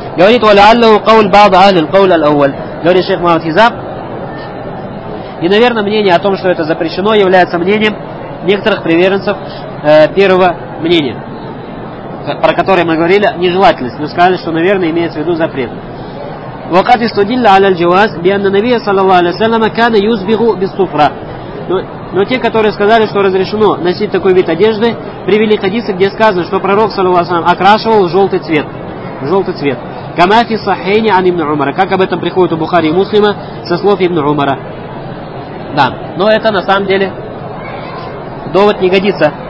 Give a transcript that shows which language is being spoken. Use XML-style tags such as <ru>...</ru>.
<ru>Говорит</ru> <ar>«Ва ля'аллаху кауль ба'ду ахлиль кауль аль-ауаль».</ar> <ru>Говорит шейх Мавд Хизам. И, наверное, мнение о том, что это запрещено, является мнением некоторых приверженцев первого мнения, про которые мы говорили, нежелательность. Мы сказали, что, наверное, имеется в виду запрет.</ru> <ar>وقد استدل على الجواز بأن النبي صلى الله عليه وسلم كان يسبغ بالصفرة.</ar> <ru>Но те, которые сказали, что разрешено носить такой вид одежды, привели хадисы, где сказано, что пророк, саллаллаху алейхи ва саллям, окрашивал желтый цвет. Желтый цвет.</ru> <ar>كما في صحيحين عن ابن عمر.</ar> <ru>Как об этом приходит у Бухари и Муслима со слов ابن عمر. Да, но это на самом деле довод не годится.</ru>